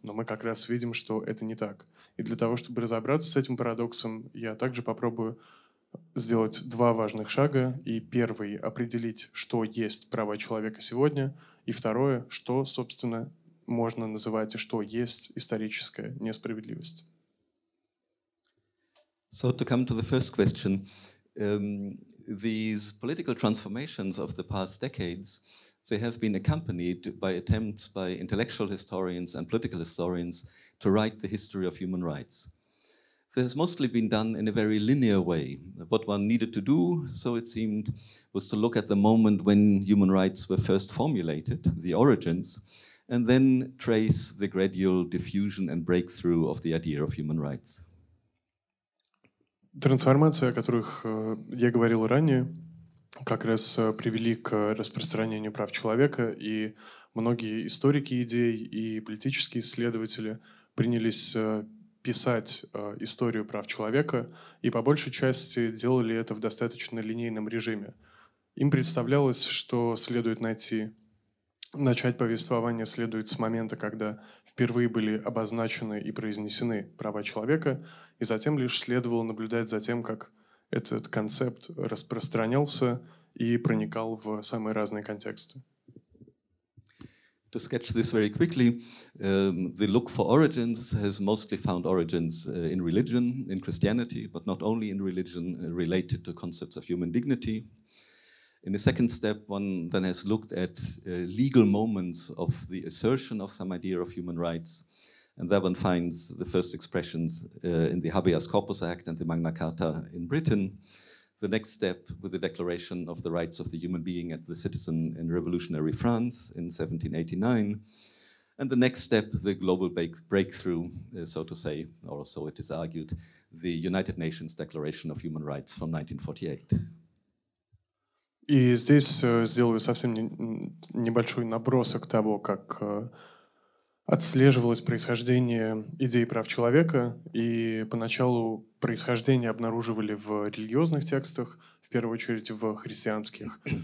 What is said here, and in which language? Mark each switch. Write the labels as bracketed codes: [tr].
[ru] Но мы как раз видим, что это не так. И для того, чтобы разобраться с этим парадоксом, я также попробую сделать два важных шага. И первый — определить, что есть права человека сегодня. И второе — что, собственно, можно называть и что есть историческая несправедливость. [en] So to come to the first question, these political transformations of the past decades, they have been accompanied by attempts by intellectual historians and political historians to write the history of human rights. This has mostly been done in a very linear way. What one needed to do, so it seemed, was to look at the moment when human rights were first formulated, the origins, and then trace the gradual diffusion and breakthrough of the idea of human rights. [ru] Трансформации, о которых я говорил ранее, как раз привели к распространению прав человека, и многие историки идей и политические исследователи принялись писать историю прав человека и по большей части делали это в достаточно линейном режиме. Им представлялось, что следует начать повествование следует с момента, когда впервые были обозначены и произнесены права человека, и затем лишь следовало наблюдать за тем, как этот концепт распространялся и проникал в самые разные контексты. [en] To sketch this very quickly, the look for origins has mostly found origins in religion, in Christianity, but not only in religion, related to concepts of human dignity. In the second step, one then has looked at legal moments of the assertion of some idea of human rights, and there one finds the first expressions in the Habeas Corpus Act and the Magna Carta in Britain. The next step with the Declaration of the Rights of the Human Being and the Citizen in Revolutionary France in 1789, and the next step, the global breakthrough, so to say, or so it is argued, the United Nations Declaration of Human Rights from 1948. [ru] И здесь сделаю совсем небольшой набросок того, как отслеживалось происхождение идей прав человека. И поначалу происхождение обнаруживали в религиозных текстах, в первую очередь в христианских.